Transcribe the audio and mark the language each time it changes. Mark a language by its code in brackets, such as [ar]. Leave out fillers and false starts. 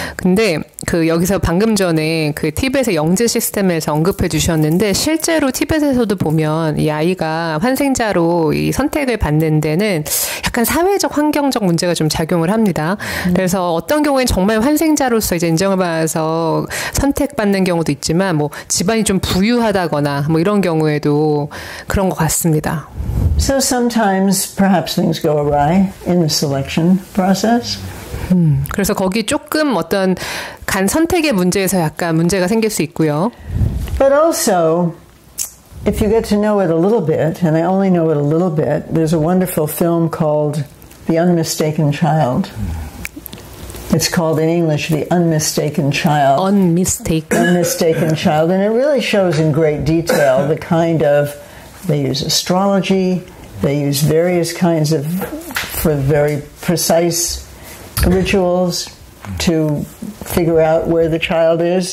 [ko] 근데 그 여기서 방금 전에 그 티벳의 영재 시스템에서 언급해 주셨는데 실제로 티벳에서도 보면 이 아이가 환생자로 이 선택을 받는 데는 약간 사회적 환경적 문제가 좀 작용을 합니다. 그래서 어떤 경우에는 정말 환생자로서 이제 인정을 받아서 선택받는 경우도 있지만 뭐 집안이 좀 부유하다거나 뭐 이런 경우에도 그런 것 같습니다. [en] So sometimes perhaps things go awry in the selection process. [ko] 그래서 거기 조금 어떤 간 선택의 문제에서 약간 문제가 생길 수 있고요. [en] But also, if you get to know it a little bit, and I only know it a little bit, there's a wonderful film called The Unmistaken Child. It's called in English The Unmistaken Child. Unmistaken. Unmistaken Child. And it really shows in great detail the kind of, they use astrology, they use various kinds of, for very precise rituals to figure out where the child is.